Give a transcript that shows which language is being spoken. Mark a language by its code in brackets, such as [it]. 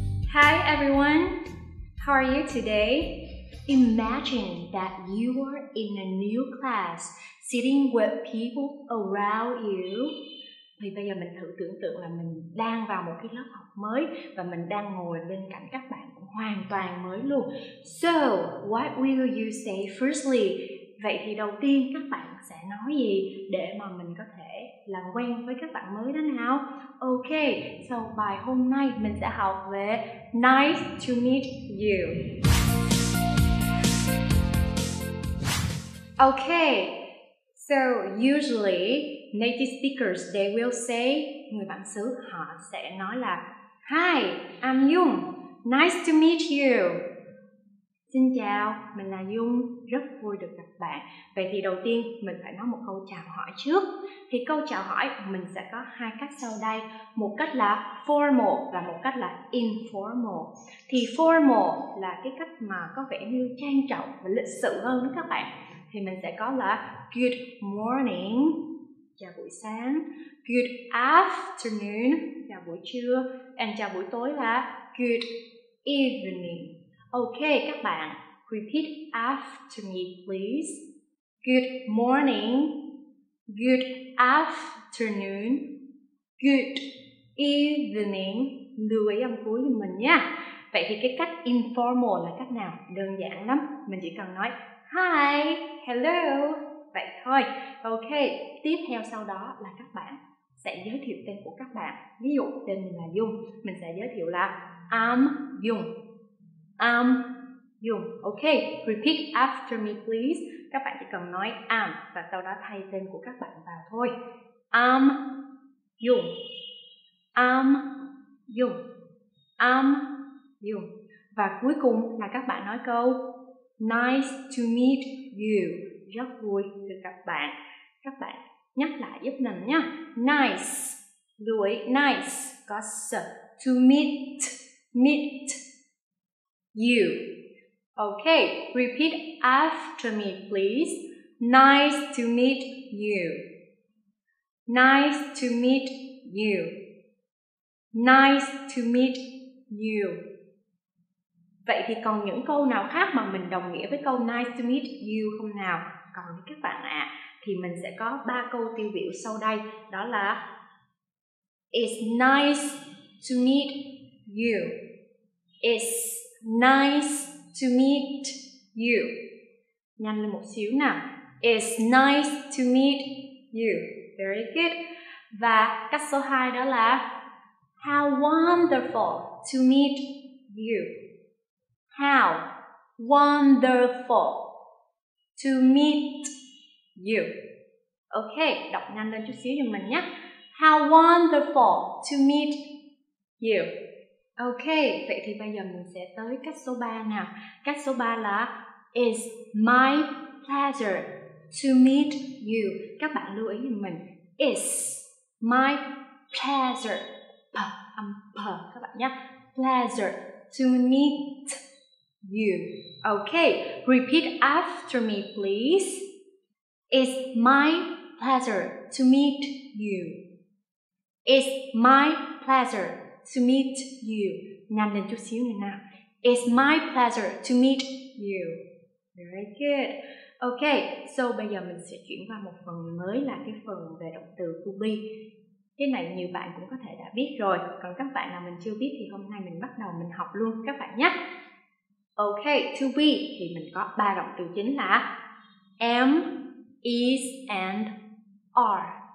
[en] Hi everyone, how are you today? Imagine that you are in a new class, sitting with people around you. [vi] Thì bây giờ mình thử tưởng tượng là mình đang vào một cái lớp học mới và mình đang ngồi bên cạnh các bạn hoàn toàn mới luôn. [en] So, what will you say firstly? [vi] Vậy thì đầu tiên các bạn sẽ nói gì để mà mình có thể làm quen với các bạn mới đó nào? Ok, so bài hôm nay mình sẽ học về [en] Nice to meet you. Ok, so usually native speakers, they will say, [vi] người bản xứ họ sẽ nói là [en] Hi, I'm Yung, nice to meet you. [vi] Xin chào, mình là Yung, rất vui được gặp bạn. Vậy thì đầu tiên mình phải nói một câu chào hỏi trước. Thì câu chào hỏi mình sẽ có hai cách sau đây. Một cách là formal và một cách là informal. Thì formal là cái cách mà có vẻ như trang trọng và lịch sự hơn đó các bạn. Thì mình sẽ có là good morning, chào buổi sáng, good afternoon, chào buổi trưa, and chào buổi tối là good evening. [en] Ok, [vi] các bạn, [en] repeat after me, please. Good morning, good afternoon, good evening. [vi] Lưu ý âm cuối của mình nha. Vậy thì cái cách informal là cách nào? Đơn giản lắm, mình chỉ cần nói Hi, hello. Vậy thôi. Ok, tiếp theo sau đó là các bạn sẽ giới thiệu tên của các bạn. Ví dụ tên mình là Dung, mình sẽ giới thiệu là [en] I'm Dung. I'm Dung. Ok, repeat after me please. [vi] Các bạn chỉ cần nói I'm và sau đó thay tên của các bạn vào thôi. [en] I'm Dung. I'm Dung. I'm Dung. [vi] Và cuối cùng là các bạn nói câu [en] Nice to meet you. [vi] Rất vui được gặp bạn. Các bạn nhắc lại giúp mình nhé. [en] Nice, [vi] lưu ý [en] nice có s. To meet, meet you. Ok, repeat after me please. Nice to meet you. Nice to meet you. Nice to meet you. [vi] Vậy thì còn những câu nào khác mà mình đồng nghĩa với câu nice to meet you không nào? Còn các bạn ạ, thì mình sẽ có 3 câu tiêu biểu sau đây. [en] Đó là It's nice to meet you. It's nice to meet you. [vi] Nhanh lên một xíu nào. [en] It's nice to meet you. Very good. [vi] Và cách số 2 đó là [en] How wonderful to meet you. How wonderful to meet you. [vi] Ok, đọc nhanh lên chút xíu cho mình nhé. [en] How wonderful to meet you. [vi] Ok, vậy thì bây giờ mình sẽ tới cách số 3 nào. Cách số 3 là [en] It's my pleasure to meet you. [vi] Các bạn lưu ý cho mình. [en] It's my pleasure. P, [vi] âm P các bạn nhé. [en] Pleasure to meet you. Okay, repeat after me, please. It's my pleasure to meet you. It's my pleasure to meet you. [vi] Nhanh lên chút xíu nữa nào. [en] It's my pleasure to meet you. Very good. [vi] Okay, so bây giờ mình sẽ chuyển qua một phần mới là cái phần về động từ to be. Cái này nhiều bạn cũng có thể đã biết rồi. Còn các bạn nào mình chưa biết thì hôm nay mình bắt đầu mình học luôn các bạn nhé. Ok, to be thì mình có 3 động từ chính là am, is and are.